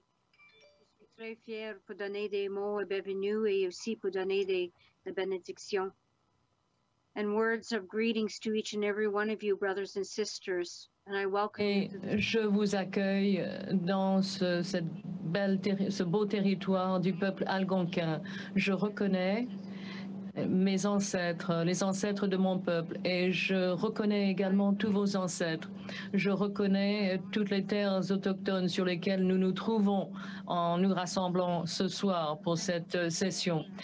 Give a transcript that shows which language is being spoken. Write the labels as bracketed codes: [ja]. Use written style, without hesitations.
[fr] Je suis très fière pour donner des mots et bienvenue et aussi pour donner des bénédictions. [en] And words of greetings to each and every one of you, brothers and sisters. And I welcome [fr] et je vous accueille dans ce beau territoire du peuple algonquin. Je reconnais mes ancêtres, les ancêtres de mon peuple, et je reconnais également tous vos ancêtres. Je reconnais toutes les terres autochtones sur lesquelles nous nous trouvons en nous rassemblant ce soir pour cette session.